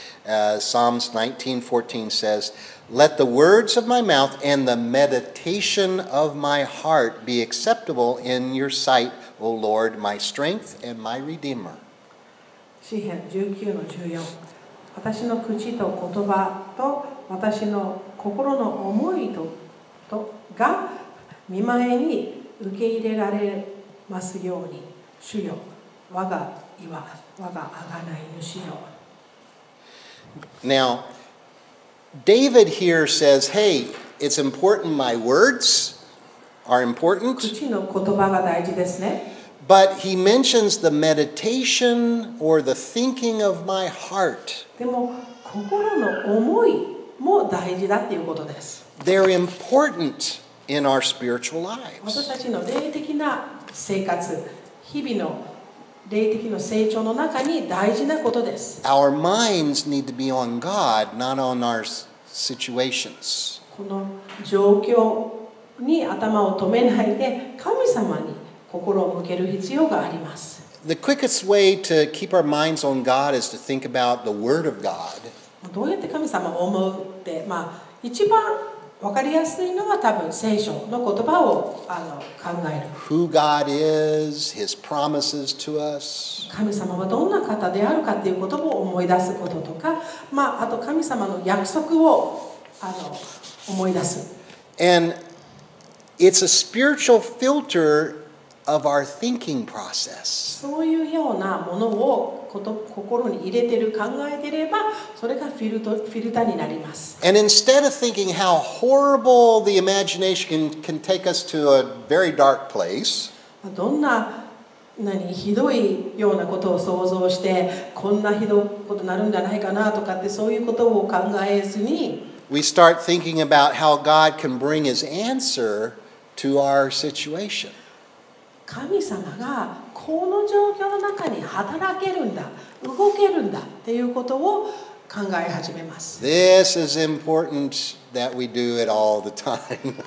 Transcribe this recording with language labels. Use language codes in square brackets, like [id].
[en] Psalms 19:14 says,Let the words of my mouth and the meditation of my heart be acceptable in your sight, O Lord, my strength and my redeemer. [ja] 詩編19:14。私の口と言葉と私の心の思いとが御前に受け入れられますように、主よ、我が岩、我が贖い主よ。 [en] Now,David here says, "Hey, it's important. My words are important." [ja] 口の言葉が大事ですね。 [en] But he mentions the meditation or the thinking of my heart. [ja] でも心の思いも大事だっていうことです。 [en] They're important in our spiritual lives. [ja] 私たちの霊的な生活、日々の霊的な成長の中に大事なことです。 [en] Our minds need to be on God, not on our situations. [ja] この状況に頭を止めないで神様に心を向ける必要があります。 [en] The quickest way to keep our minds on God is to think about the Word of God. [ja] どうやって神様を思うって、まあ、一番分かりやすいのは多分聖書の言葉を考える。 [en] Who God is, His promises to us. [ja] 神様はどんな方であるかっていうことを思い出すこととか、まあ、あと神様の約束を思い出す。 [en] And it's a spiritual filter of our thinking process. [ja] そういうようなものを心に入れてる、考えてれば、それがフィルターになります。 [en] And instead of thinking how horrible the imagination can take us to a very dark place, [ja] どんな何ひどいようなことを想像して、こんなひどいことになるんじゃないかなとかって、そういうことを考えずに、 [en] We start thinking about how God can bring His answer to our situation. [ja] 神様がこの状況の中に働けるんだ、動けるんだっていうことを考え始めます。 [en] This is important that we do it all the time.